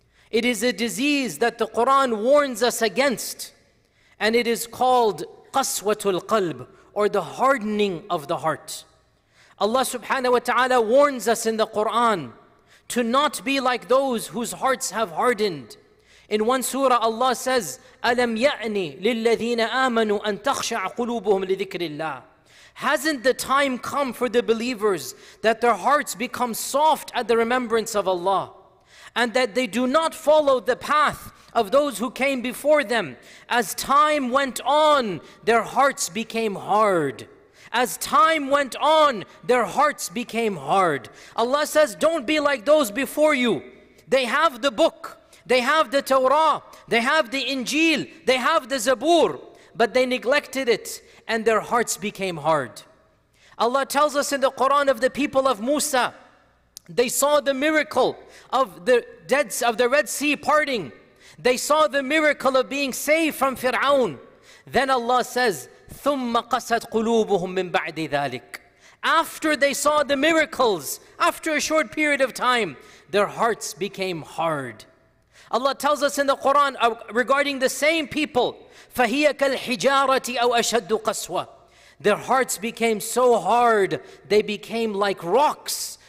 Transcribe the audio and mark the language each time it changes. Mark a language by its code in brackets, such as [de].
[en] It is a disease that the Quran warns us against, and it is called qaswatul qalb, or the hardening of the heart. Allah subhanahu wa ta'ala warns us in the Quran to not be like those whose hearts have hardened. In one surah, Allah says, [ar] أَلَمْ يَعْنِي لِلَّذِينَ آمَنُوا أَن تَخْشَعَ قُلُوبُهُمْ لِذِكْرِ اللَّهِ. [en] Hasn't the time come for the believers that their hearts become soft at the remembrance of Allah, and that they do not follow the path of those who came before them? As time went on, their hearts became hard. As time went on, their hearts became hard. Allah says, don't be like those before you. They have the book, they have the Torah, they have the Injil, they have the Zabur, but they neglected it and their hearts became hard. Allah tells us in the Quran of the people of Musa, they saw the miracle of the Red Sea parting. They saw the miracle of being saved from Fir'aun. Then Allah says, [ar] ثُمَّ قَسَتْ قُلُوبُهُمْ مِنْ بَعْدِ ذَلِكَ. [en] After they saw the miracles, after a short period of time, their hearts became hard. Allah tells us in the Quran regarding the same people, [ar] فَهِيَ كَالْحِجَارَةِ أَوْ أَشَدُّ قَسْوَةً. [en] Their hearts became so hard, they became like rocks.